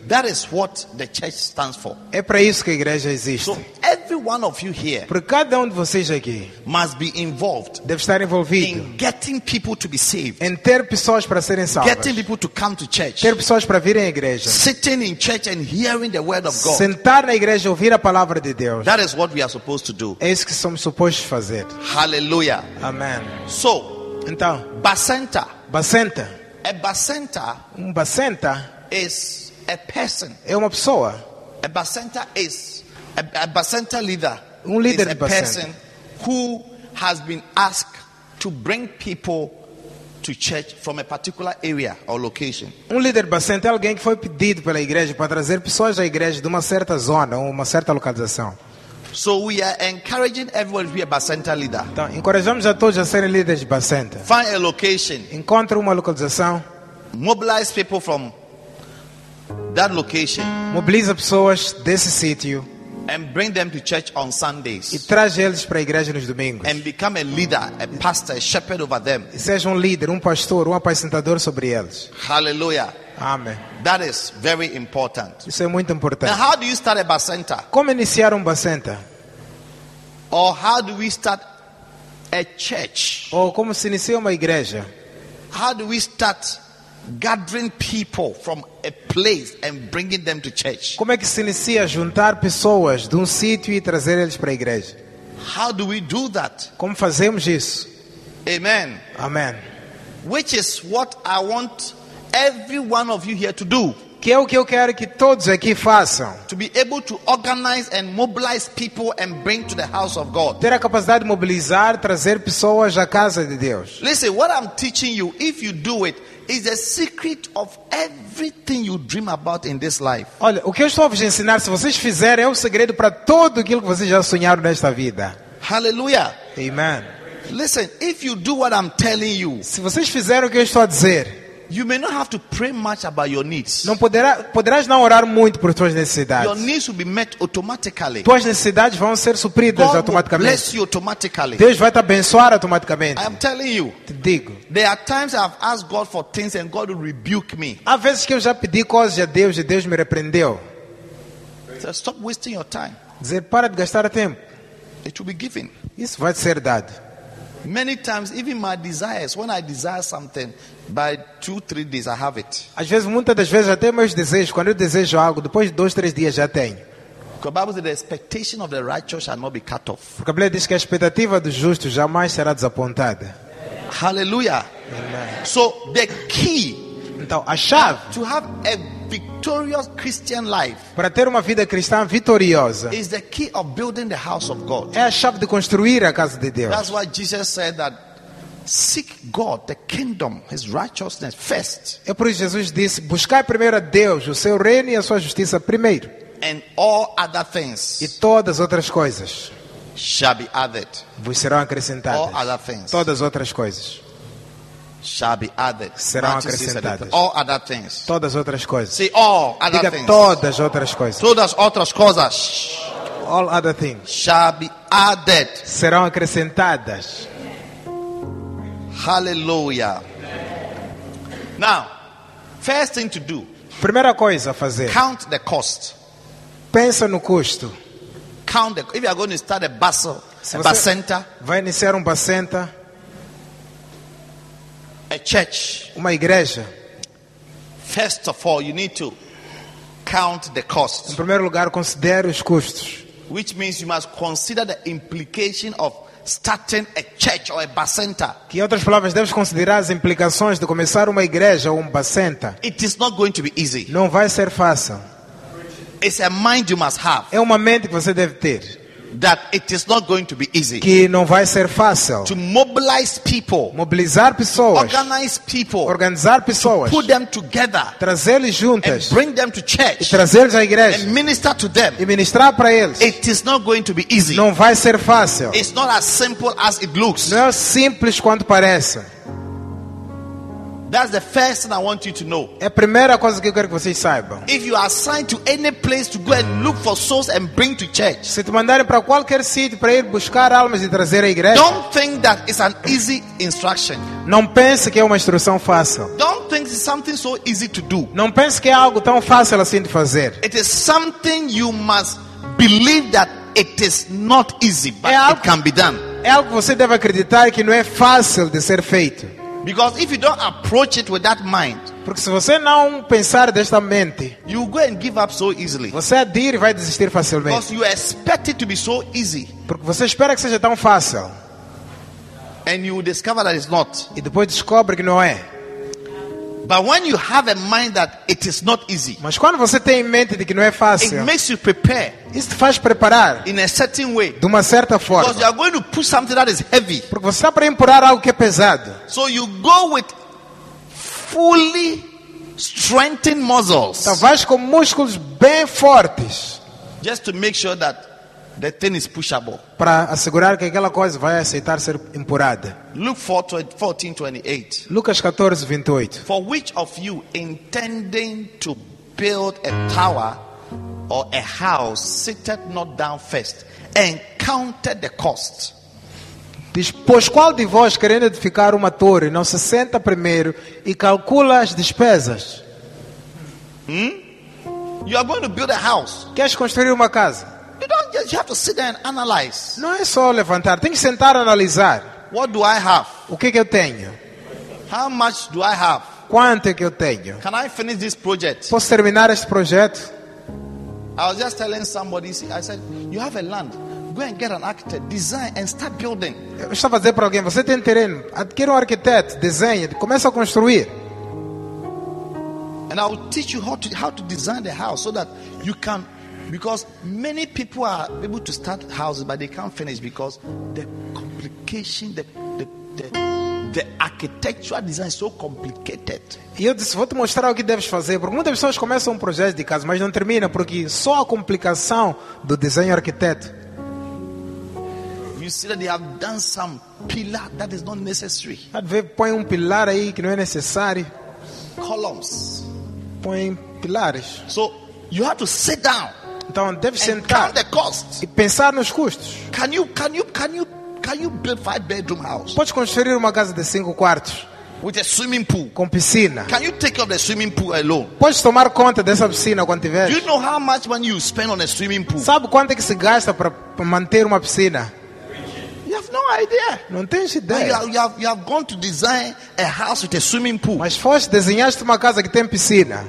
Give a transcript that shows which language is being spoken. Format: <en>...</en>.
<en>That is what the church stands for.</en> <pt>É para isso que a igreja existe.</pt> <en>So every one of you here.</en> <pt>Por cada um de vocês aqui.</pt> <en>Must be involved.</en> <pt>Deve estar envolvido.</pt> <en>In getting people to be saved.</en> <pt>Em ter pessoas para serem salvas.</pt> <en>Getting people to come to church.</en> <pt>Ter pessoas para virem à igreja.</pt> <en>Sitting in church and hearing the word of God.</en> <pt>Sentar na igreja e ouvir a palavra de Deus.</pt> <en>That is what we are supposed to do.</en> <pt>É isso que somos supostos fazer.</pt> <en>Hallelujah. Amen. So,</en> <pt>então,</pt> <en>Bacenta.</en> <pt>Bacenta.</pt> <en>A Bacenta,</en> <pt>Bacenta</pt> <en>is a person.</en> <pt>É uma pessoa.</pt> <en>A Bacenta is a Bacenta leader. Leader is a person who has been asked to bring people to church from a particular area or location.</en> <pt>Líder Bacenta é alguém que foi pedido pela igreja para trazer pessoas à igreja de uma certa zona, uma certa localização.</pt> <en>So we are encouraging everyone to be a Bacenta leader.</en> <pt>Então, encorajamos a todos a serem líderes de Bacenta.</pt> <en>Find a location.</en> <pt>Encontre uma localização.</pt> <en>Mobilize people from that location.</en> <pt>Mobilize pessoas desse sítio.</pt> <en>And bring them to church on Sundays.</en> <pt>E traz eles para a igreja nos domingos.</pt> <en>And become a leader, a pastor, a shepherd over them.</en> <pt>E seja líder, pastor, apacentador sobre eles.</pt> <en>Hallelujah. Amen. That is very important.</en> <pt>Isso é muito importante.</pt> <en>Now, how do you start a Bacenta?</en> <pt>Como iniciar Bacenta?</pt> <en>Or how do we start a church?</en> <pt>Ou como se inicia uma igreja?</pt> <en>How do we start gathering people from a place and bringing them to church?</en> <pt>Como é que se inicia juntar pessoas de sítio e trazer eles para a igreja?</pt> <en>How do we do that?</en> <pt>Como fazemos isso?</pt> <en>Amen. Amen. Which is what I want every one of you here to do.</en> <pt>Que é o que eu quero que todos aqui façam.</pt> <en>To be able to organize and mobilize people and bring to the house of God.</en> <pt>Ter a capacidade de mobilizar, trazer pessoas à casa de Deus.</pt> <en>Listen, what I'm teaching you, if you do it, is the secret of everything you dream about in this life.</en> <pt>Olha, o que eu estou a vos ensinar, se vocês fizerem, é o segredo para tudo aquilo que vocês já sonharam nesta vida.</pt> <en>Hallelujah. Amen. Listen, if you do what I'm telling you,</en> <pt>se vocês fizerem o que eu estou a dizer,</pt> <en>you may not have to pray much about your needs.</en> <pt>Não poderás não orar muito por tuas necessidades.</pt> <en>Your needs will be met automatically.</en> <pt>Tuas necessidades vão ser supridas</pt> <en>God</en> <pt>automaticamente.</pt> <en>Will bless you automatically.</en> <pt>Deus vai te abençoar automaticamente.</pt> <en>I'm telling you.</en> <pt>Te digo.</pt> <en>There are times I've asked God for things and God will rebuke me.</en> <pt>Há vezes que eu já pedi coisas a Deus e Deus me repreendeu.</pt> <en>So stop wasting your time.</en> <pt>Dizer, para de gastar tempo.</pt> <en>It will be given.</en> <pt>Isso vai ser dado.</pt> <en>Many times, even my desires, when I desire something, by 2-3 days I have it.</en> <pt>Às vezes, muitas das vezes, até meus desejos, quando eu desejo algo, depois de 2-3 dias já tenho.</pt> <en>The Bible says the expectation of the righteous shall not be cut off.</en> <pt>Porque a Bíblia diz que a expectativa do justo jamais será desapontada.</pt> <en>Hallelujah. Amen. So the key.</en> <pt>Então, a chave.</pt> <en>To have a victorious Christian life.</en> <pt>Para ter uma vida cristã vitoriosa.</pt> <en>Is the key of building the house of God.</en> <pt>É a chave de construir a casa de Deus.</pt> <en>That's why Jesus said that seek God, the kingdom, his righteousness first.</en> <pt>É por isso que Jesus disse, buscai primeiro a Deus, o seu reino e a sua justiça primeiro.</pt> <en>And all other things.</en> <pt>E todas as outras coisas.</pt> <en>Shall be added.</en> <pt>Vos serão acrescentadas.</pt> <en>All other things.</en> <pt>Todas as outras coisas.</pt> <en>Shall be added.</en> <pt>Serão acrescentadas.</pt> <en>All other things.</en> <pt>Todas as outras coisas.</pt> <en>See, all other</en> <pt>diga</pt> <en>things.</en> <pt>Todas as outras coisas. Todas as outras coisas.</pt> <en>All other things. Shall be added.</en> <pt>Serão acrescentadas.</pt> <en>Hallelujah. Now, first thing to do.</en> <pt>Primeira coisa a fazer.</pt> <en>Count the cost.</en> <pt>Pensa no custo.</pt> <en>Count the. If you are going to start a bustle, a Bacenta.</en> <pt>Vai iniciar Bacenta.</pt> <en>A church,</en> <pt>uma igreja.</pt> <en>First of all, you need to count the costs.</en> <pt>Em primeiro lugar, considere os custos.</pt> <en>Which means you must consider the implication of starting a church or a Bacenta.</en> <pt>Que, em outras palavras, deves considerar as implicações de começar uma igreja ou Bacenta.</pt> <en>It is not going to be easy.</en> <pt>Não vai ser fácil.</pt> <en>It's a mind you must have.</en> <pt>É uma mente que você deve ter.</pt> <en>That it is not going to be easy.</en> <pt>Que não vai ser fácil.</pt> <en>To mobilize people.</en> <pt>Mobilizar pessoas.</pt> <en>Organize people.</en> <pt>Organizar pessoas.</pt> <en>To put them together.</en> <pt>Trazê-los juntas.</pt> <en>And bring them to church.</en> <pt>E trazê-los à igreja.</pt> <en>And minister to them.</en> <pt>E ministrar para eles.</pt> <en>It is not going to be easy.</en> <pt>Não vai ser fácil.</pt> <en>It's not as simple as it looks.</en> <pt>Não é simples quanto parece.</pt> <en>That's the first thing I want you to know.</en> <pt>É a primeira coisa que eu quero que vocês saibam.</pt> <en>If you are assigned to any place to go and look for souls and bring to church.</en> <pt>Se te mandarem para qualquer sítio para ir buscar almas e trazer à igreja.</pt> <en>Don't think that it's an easy instruction.</en> <pt>Não pense que é uma instrução fácil.</pt> <en>Don't think it's something so easy to do.</en> <pt>Não pense que é algo tão fácil assim de fazer.</pt> <en>It is something you must believe that it is not easy, but it can be done.</en> <pt>É algo que você deve acreditar que não é fácil de ser feito.</pt> <en>Because if you don't approach it with that mind,</en> <pt>porque se você não pensar desta mente,</pt> <en>you go and give up so easily.</en> <pt>Você adir e vai desistir facilmente.</pt> <en>Because you expect it to be so easy.</en> <pt>Porque você espera que seja tão fácil.</pt> <en>And you discover that it's not.</en> <pt>E depois descobre que não é.</pt> <en>But when you have a mind that it is not easy,</en> <pt>mas quando você tem em mente de que não é fácil,</pt> <en>it makes you prepare.</en> <pt>Isso te faz preparar</pt> <en>in a certain way,</en> <pt>de uma certa forma.</pt> <en>Because you are going to push something that is heavy.</en> <pt>Porque você está para empurrar algo que é pesado.</pt> <en>So you go with fully strengthened muscles.</en> <pt>Então vais com músculos bem fortes,</pt> <en>just to make sure that the thing is pushable.</en> <pt>Para assegurar que aquela coisa vai aceitar ser empurrada. Lucas 14:28.</pt> <en>For which of you intending to build a tower or a house, sitteth not down first and counted the cost?</en> <pt>Diz, pois qual de vós querendo edificar uma torre não se senta primeiro e calcula as despesas?</pt> <en>You are going to build a house.</en> <pt>Queres construir uma casa?</pt> <en>You don't just have to sit there and analyze.</en> <pt>Não é só levantar, tem que sentar e analisar.</pt> <en>What do I have?</en> <pt>O que eu tenho?</pt> <en>How much do I have?</en> <pt>Quanto é que eu tenho?</pt> <en>Can I finish this project?</en> <pt>Posso terminar este projeto?</pt> <en>I was just telling somebody, I said, you have a land. Go and get an architect, design and start building.</en> <pt>Eu estava a dizer para alguém, você tem terreno, adquira um arquiteto, desenhe, começa a construir.</pt> <en>And I will teach you how to design the house so that you can, because many people are able to start houses but they can't finish because the complication, the architectural design is so complicated.</en> <pt>E eu disse, vou te mostrar o que deves fazer, porque muitas pessoas começam um projeto de casa, mas não termina porque só a complicação do desenho arquiteto.</pt> <en>You see that they have done some pillar that is not necessary.</en> <pt>Põe um pilar aí que não é necessário.</pt> <en>Columns.</en> <pt>Põe pilares.</pt> <en>So you have to sit down.</en> <pt>Então deve</pt> <en>and</en> <pt>sentar.</pt> <en>Count the costs.</en> <pt>E pensar nos custos.</pt> <en>Can you build a 5-bedroom house?</en> <pt>Pode construir uma casa de 5 quartos?</pt> <en>With a swimming pool.</en> <pt>Com piscina.</pt> <en>Can you take up the swimming pool alone?</en> <pt>Pode tomar conta dessa piscina quando tiver.</pt> <en>Do you know how much money you spend on a swimming pool?</en> <pt>Sabe quanto é que se gasta para manter uma piscina?</pt> <en>You have no idea.</en> <pt>Não tens ideia.</pt> <en>You have gone to design a house with a swimming pool.</en> <pt>Mas foste desenhaste uma casa que tem piscina.</pt>